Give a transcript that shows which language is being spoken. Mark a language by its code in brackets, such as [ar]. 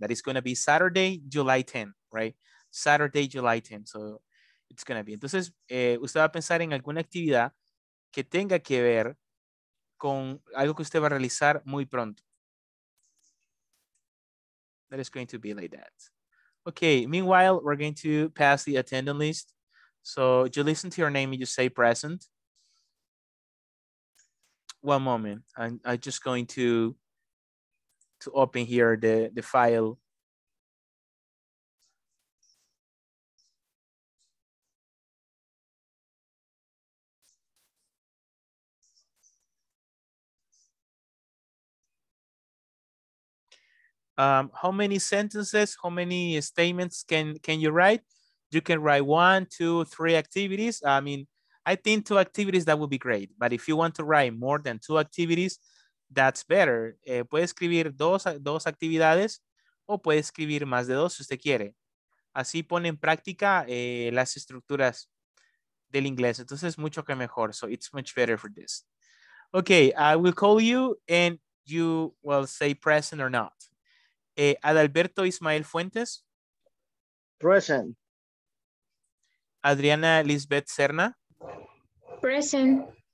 [en] That is going to be Saturday, July 10th, right? Saturday, July 10th. So it's going to be. [es] Entonces, usted va a pensar en alguna actividad que tenga que ver con algo que usted va a realizar muy pronto. [en] That is going to be like that. Okay, meanwhile, we're going to pass the attendance list. So you listen to your name and you say present. One moment. I'm just going to open here the file. How many sentences, how many statements can you write? You can write 1, 2, 3 activities. I mean, I think 2 activities, that would be great. But if you want to write more than 2 activities, that's better. [es] Puede escribir dos actividades o puede escribir más de 2 si usted quiere. Así pone en práctica las estructuras del inglés. Entonces, mucho que mejor. [en] So it's much better for this. Okay, I will call you and you will say present or not. Adalberto Ismael Fuentes. Present. Adriana Lisbeth Serna. Present.